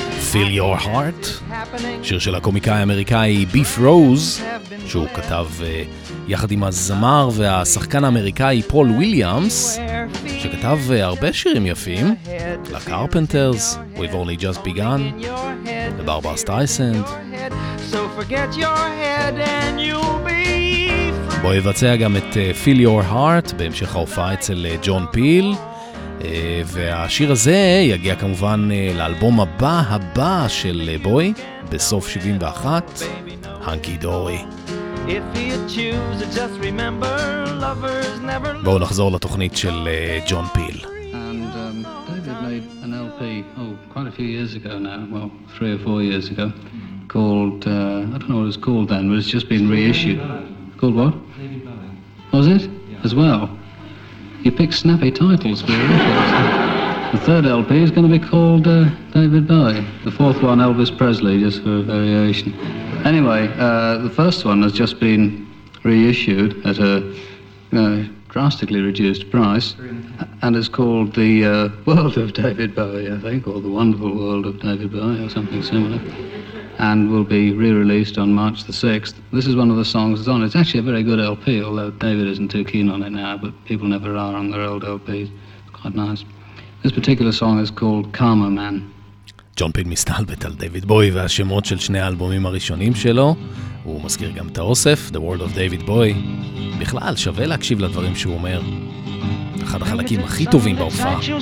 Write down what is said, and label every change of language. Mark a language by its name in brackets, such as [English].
[Hebrew] Fill Your Heart, שיר של הקומיקאי האמריקאי ביף רוז, שהוא כתב יחד עם הזמר והשחקן האמריקאי פול וויליאמס, שכתב הרבה שירים יפים, לקרפנטרס, We've Only Just Begun, לברברה סטרייסנד, [English] so forget your head and you'll be free. [Hebrew] בוא יבצע גם את Feel Your Heart בהמשך ההופעה אצל ג'ון פיל, והשיר הזה יגיע כמובן לאלבום הבא הבא של בוי בסוף 71, הנקי דורי. [English] If he'd choose, just remember, lovers never love. בואו נחזור לתוכנית של ג'ון פיל. And David made an LP, quite a few years ago now, three or four years ago, called, I don't know what it was called then, but it's just been reissued. Called what? Was it? Yeah. As well? You picked snappy titles for your records. The third LP is going to be called David Bowie. The fourth one, Elvis Presley, just for a variation. Anyway, the first one has just been reissued at a drastically reduced price, and it's called The World of David Bowie, I think, or The Wonderful World of David Bowie, or something similar, and will be re-released on March the 6th. This is one of the songs that's on. It's actually a very good LP, although David isn't too keen on it now, but people never are on their old LPs. It's quite nice. This particular song is called Karma Man. [Hebrew] ג'ון פיל מסתלבט על דיוויד בוי והשמות של שני האלבומים הראשונים שלו. הוא מזכיר גם את האוסף, The World of David Bowie. בכלל, שווה להקשיב לדברים שהוא אומר. אחד החלקים הכי טובים בהופעה.